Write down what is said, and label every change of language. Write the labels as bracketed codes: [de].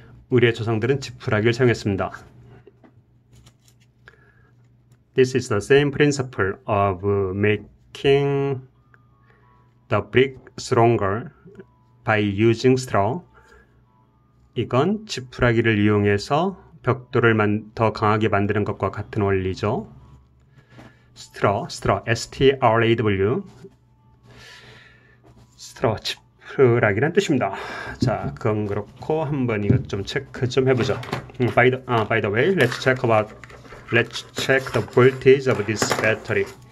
[ko] 우리의 조상들은 지푸라기를 사용했습니다. [en] This is the same principle of making the brick stronger by using straw. [ko] 이건 지푸라기를 이용해서 벽돌을 더 강하게 만드는 것과 같은 원리죠. [en] Straw, straw, straw. [ko] 지푸라기란 뜻입니다. 자, 그건 그렇고 한번 이것 좀 체크 좀 해보죠. [en] By the way, let's check the voltage of this battery.